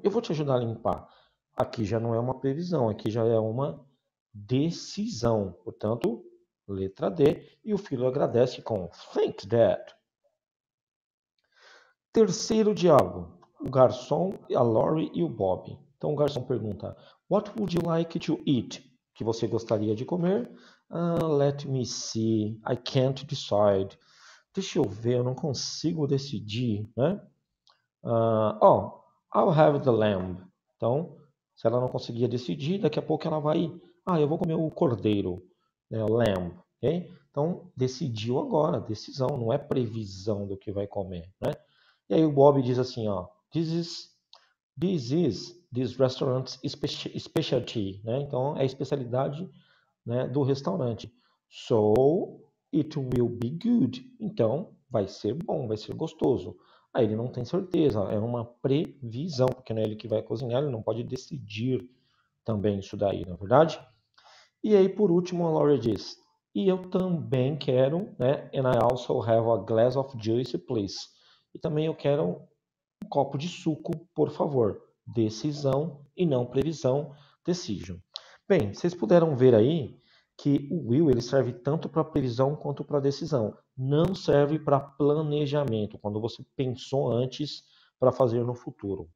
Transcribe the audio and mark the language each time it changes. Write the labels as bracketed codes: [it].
[pt] Eu vou te ajudar a limpar. Aqui já não é uma previsão, aqui já é uma decisão. Portanto, letra D. E o filho agradece com [en] Thank Dad. [pt] Terceiro diálogo: o garçom, a Lori e o Bob. Então o garçom pergunta: [en] What would you like to eat? [pt] Que você gostaria de comer? [en] Let me see. I can't decide. [pt] Deixa eu ver, eu não consigo decidir, né? [en] I'll have the lamb. [pt] Então, se ela não conseguia decidir, daqui a pouco ela vai. Ah, eu vou comer o cordeiro, né? Lamb. Okay? Então, decidiu agora, decisão, não é previsão do que vai comer, né? E aí o Bob diz assim, ó. [en] This restaurant's specialty, [pt] né? Então, é a especialidade, né, do restaurante. [en] So, it will be good. [pt] Então, vai ser bom, vai ser gostoso. Aí ele não tem certeza, é uma previsão, porque não é ele que vai cozinhar, ele não pode decidir também isso daí, não é verdade? E aí, por último, a Laurie diz: E eu também quero, né? [en] And I also have a glass of juice, please. [pt] E também eu quero um copo de suco, por favor. Decisão e não previsão. Decision. Bem, vocês puderam ver aí que o will ele serve tanto para previsão quanto para decisão. Não serve para planejamento, quando você pensou antes para fazer no futuro.